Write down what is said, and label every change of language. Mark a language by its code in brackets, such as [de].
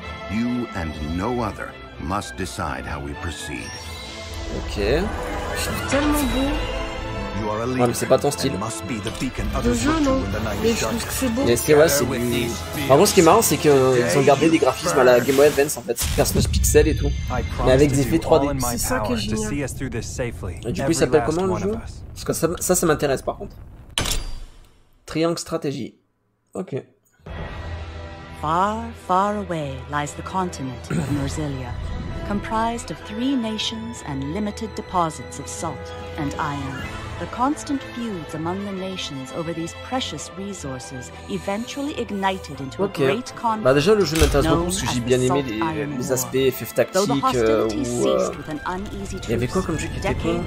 [en] You and no other must decide how we proceed. [fr] Ok. C'est tellement beau. Ah ouais, mais c'est pas ton style. Le jeu, non. Mais je trouve que c'est beau. Mais c'est ouais, c'est. Par contre, ce qui est marrant, c'est qu'ils ont gardé des graphismes à la Game Boy Advance en fait, Cosmos Pixel et tout, mais avec des effets 3D. C'est ça qui est génial. Et du coup, il s'appelle comment le jeu ? Parce que ça m'intéresse par contre. Triangle Stratégie. Ok. [en] Far, far away lies the continent of Mersilia, comprised of three nations and limited deposits of salt and iron. The constant feuds among the nations over these precious resources eventually ignited into a great conflict. [fr] Bah déjà le jeu m'intéresse beaucoup parce que j'ai bien aimé les aspects FF tactique ou. Il y avait quoi comme jeu qui était bon?